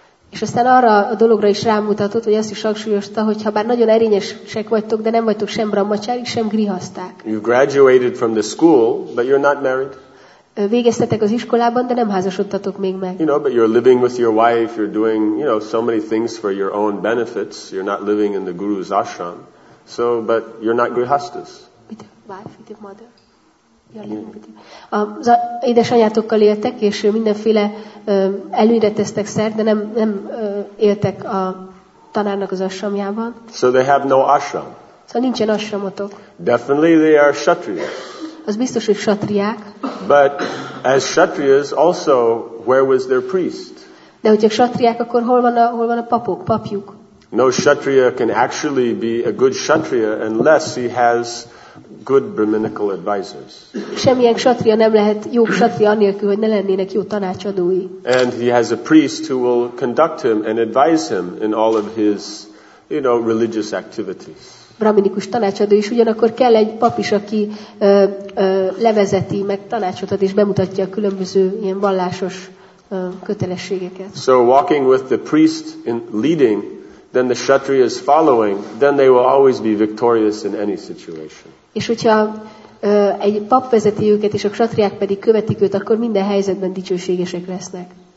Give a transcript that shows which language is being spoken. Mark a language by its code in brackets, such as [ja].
[hu] És aztán arra a dologra is rámutatott, hogy azt is hangsúlyozta, hogy ha bár nagyon erényesek vagytok, de nem vagytok sem brahmacsári, sem grihaszták. [en] You graduated from the school, but you're not married. [hu] Végeztetek az iskolában, de nem házasodtatok még meg. [en] You know, but you're living with your wife, you're doing, you know, so many things for your own benefits. You're not living in the guru's ashram. So, but you're not grihasthas. With your wife, with your mother. [hu] Az édesanyjátokkal éltek, és mindenféle előre tesztek szert, de nem éltek a tanárnak az ashramjában. [en] So they have no ashram. [hu] Szóval nincsen ashramotok. [en] Definitely they are kshatriyas. [hu] Az biztos, hogy kshatriák. [en] But as kshatriyas also, where was their priest? [hu] De hogyha kshatriák, akkor hol van a papjuk? [en] No kshatriya can actually be a good kshatriya unless he has good brahminical advisors. [hu] Semmilyen kshatriya nem lehet jó kshatriya anélkül, hogy ne lennének jó tanácsadói. [en] And he has a priest who will conduct him and advise him in all of his, you know, religious activities. [hu] Brahminikus tanácsadó is, ugyanakkor kell egy pap is, aki levezeti, meg tanácsot ad és bemutatja a különböző ilyen vallásos kötelességeket. [en] So walking with the priest in leading, then the kshatriya is following, then they will always be victorious in any situation. [hu] És hogyha egy pap vezeti őket, és a kshatriák pedig követik őt, akkor minden helyzetben dicsőségesek lesznek.